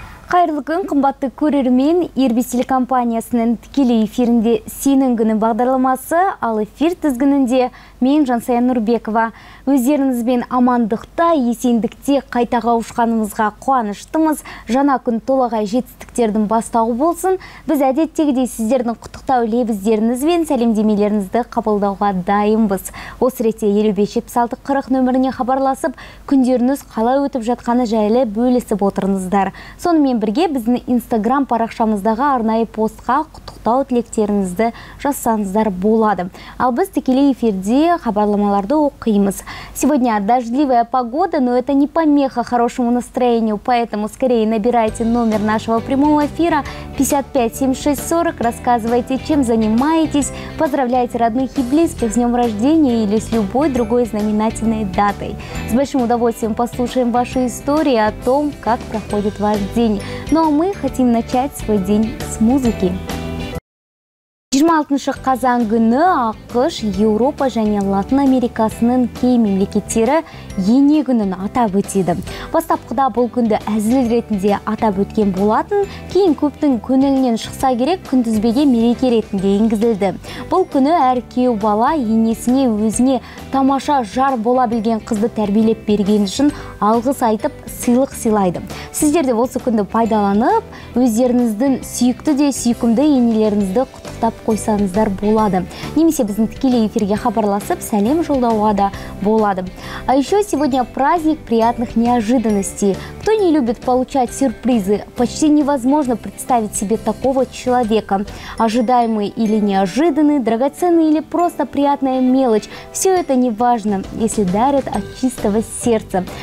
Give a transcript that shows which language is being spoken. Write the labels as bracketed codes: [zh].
[kk] Сиздердин кымбатты көрермен Ирбистил компаниясынын тикелей эфиринде сенин күнү бағдарламасы ал эфир тизгининде мен Жансая Нурбекова. Өздеріңіз бен амандықта, есендікте қайта қауышқанымызға қуаныштымыз. Жаңа күн толағай жетістіктердің бастауы болсын. Біз әдеттегідей сіздердің құттықтау лебіздеріңіз бен сәлемдемелеріңізді қабылдауға дайынбыз. Осы ретте 55-76-40 нөміріне хабарласып, күндеріңіз қалай өтіп жатқаны жайлы бөлісіп отырыңыздар. Сонымен бірге біздің Instagram парақшамыздағы арнайы постқа құттықтау тілектеріңізді жазсаңыздар болады. Ал біз тікелей эфирде хабарламаларды оқимыз. [ru] Сегодня дождливая погода, но это не помеха хорошему настроению, поэтому скорее набирайте номер нашего прямого эфира 557640, рассказывайте, чем занимаетесь, поздравляйте родных и близких с днем рождения или с любой другой знаменательной датой. С большим удовольствием послушаем ваши истории о том, как проходит ваш день. Ну а мы хотим начать свой день с музыки. [kk] 26 қазан күні АққШ, Еуропа және Латын Америкасының кей мемлекеттері ене күнін атап өтеді. Бастапқыда бұл күнді әзіл ретінде атап өткен болатын, кейін көптің көңілінен шықса керек күндізбеге мереке ретінде енгізілді. Бұл күні әр кеу бала енесіне өзіне тамаша жар бола білген қызды тәрбиелеп берген үшін алғыс айтып сыйлық сыйлайды. Сіздер де осы күнді пайдаланып, өздеріңіздің сүйікті де сүйкімді енелеріңізді құттықтап қойсаңыздар болады. Немесе біздің тікелей эфирге хабарласып, сәлем жолдауға да болады. [ru] А еще сегодня праздник приятных неожиданностей. Кто не любит получать сюрпризы? Почти невозможно представить себе такого человека. Ожидаемый или неожиданный, драгоценный или просто приятная мелочь. Все это не важно, если дарят от чистого сердца.